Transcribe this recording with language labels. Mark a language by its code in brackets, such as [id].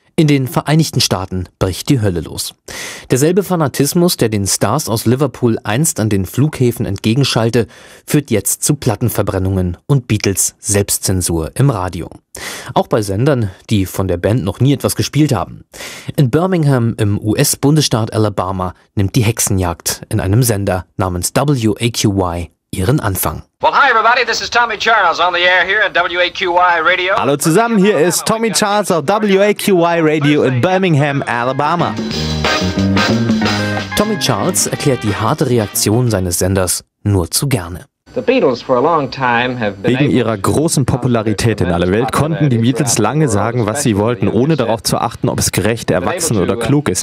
[de] In den Vereinigten Staaten bricht die Hölle los. Der Derselbe Fanatismus, der den Stars aus Liverpool einst an den Flughäfen entgegenschallte, führt jetzt zu Plattenverbrennungen und Beatles Selbstzensur im Radio. Auch bei Sendern, die von der Band noch nie etwas gespielt haben. In Birmingham im US-Bundesstaat Alabama nimmt die Hexenjagd in einem Sender namens WAQY ihren Anfang. [en] Well, hi everybody, this is Tommy Charles on the air here at WAQY Radio. [de] Hallo zusammen, hier ist Tommy Charles auf WAQY Radio in Birmingham, Alabama. Tommy Charles erklärt die harte Reaktion seines Senders nur zu gerne. Wegen ihrer großen Popularität in aller Welt konnten die Beatles lange sagen, was sie wollten, ohne darauf zu achten, ob es gerecht, erwachsen oder klug ist.